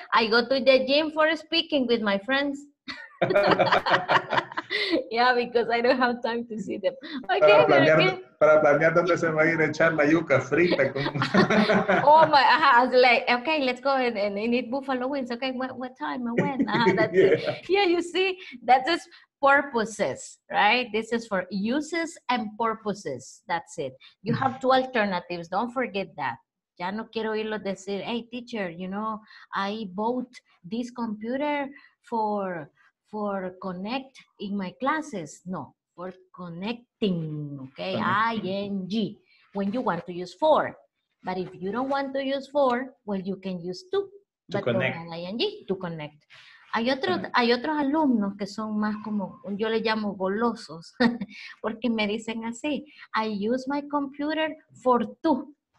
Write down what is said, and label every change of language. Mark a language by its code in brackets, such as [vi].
[en] I go to the gym for speaking with my friends. Yeah, because I don't have time to see them. Okay, [es] para planear dónde se va a ir a echar la yuca frita. [en] Oh my, I was like, okay, let's go and eat buffalo wings. Okay, what time? When? That's yeah. It. Yeah, you see, that is purposes, right? This is for uses and purposes. That's it. You have two alternatives. Don't forget that. [es] Ya no quiero irlo decir, [en] hey, teacher, you know, I bought this computer for connect in my classes. No, for connecting, okay, ing, when you want to use for. But if you don't want to use for, well, you can use to. But connect. Con ing, to connect. [es] Hay otros alumnos que son más como, yo les llamo golosos, porque me dicen así, [en] I use my computer for to.